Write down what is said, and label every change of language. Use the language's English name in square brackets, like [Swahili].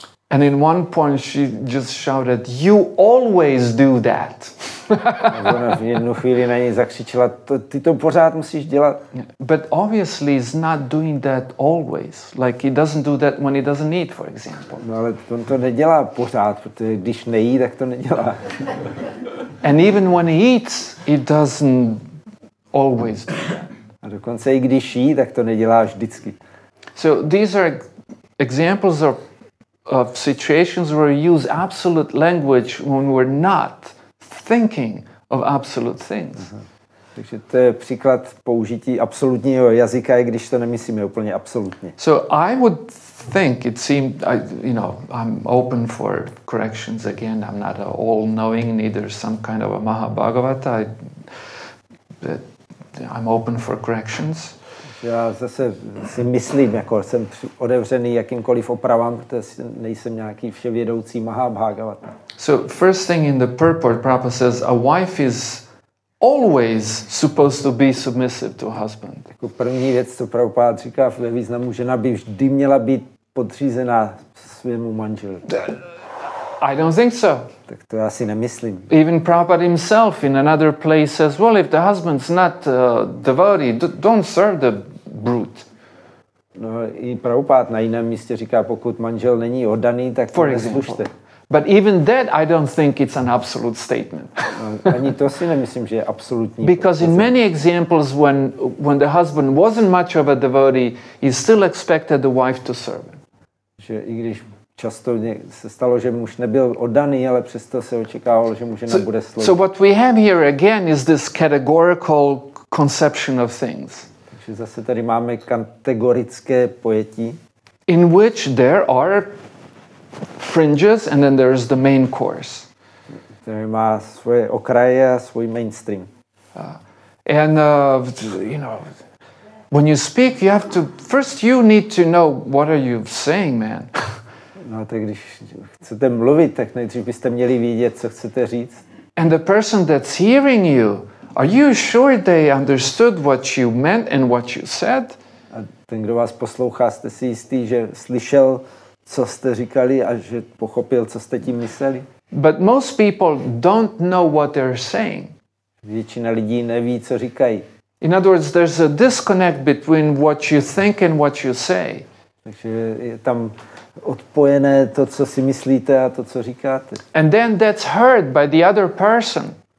[English] And in one point she just shouted, "You always do that." [Czech] V jednu chvíli na něj zakřičila, ty to pořád musíš dělat. [English] But obviously he's not doing that always. Like he doesn't do that when he doesn't eat, for example. [Czech] No, ale on to nedělá pořád, protože když nejí, tak to nedělá. [English] And even when he eats, he doesn't always do that. [Czech] A dokonce i když jí, tak to nedělá vždycky. [English] So these are examples of situations where we use absolute language when we're not thinking of absolute things. Uh-huh. [Czech] Takže to je příklad použití absolutního jazyka, i když to nemyslíme úplně absolutně. [English] So I would think it seemed, I'm open for corrections again. I'm not a all-knowing, neither some kind of a Mahabhagavata. I'm open for corrections. [Czech] Já zase si myslím, jako jsem otevřený jakýmkoliv opravám, protože nejsem nějaký vševědoucí Mahabhagavata. [English] So first thing in the purport, Prabhupada says, a wife is always supposed to be submissive to husband. [Czech] Jako první věc, co Prabhupada říká ve významu, žena by vždy měla být podřízená svému manželu. [English] I don't think so. [Czech] Tak to já si nemyslím. [English] Even Prabhupada himself in another place says, well, if the husband's not devotee, don't serve the brute. [Czech] No, i Prabhupada na jiném místě říká, pokud manžel není oddaný, tak to neslušte. [English] But even that, I don't think it's an absolute statement. [Czech] Ani to si nemyslím, že je absolutní. [English] Because in many examples, when the husband wasn't much of a devotee, he still expected the wife to serve him. [Czech] Že i když často se stalo, že muž nebyl oddaný, ale přesto se očekávalo, že muž nebude sloužit. [English] So what we have here again is this categorical conception of things. [Czech] Takže zase tady máme kategorické pojetí. [English] In which there are fringes and then there is the main course. [Czech] Tady má svoje okraje a svůj mainstream. [English] When you speak, you have to, first you need to know what are you saying, man. [Czech] No, tak když chcete mluvit, tak nejdřív byste měli vědět, co chcete říct. [English] And the person that's hearing you, are you sure they understood what you meant and what you said? [Czech] A ten, kdo vás poslouchá, jste si jistý, že slyšel, co jste říkali a že pochopil, co jste tím mysleli? [English] But most people don't know what they're saying. [Czech] Většina lidí neví, co říkají. [English] In other words, there's a disconnect between what you think and what you say. [Czech] Takže je tam odpojené to, co si myslíte a to, co říkáte. [English] And then that's heard by the other person.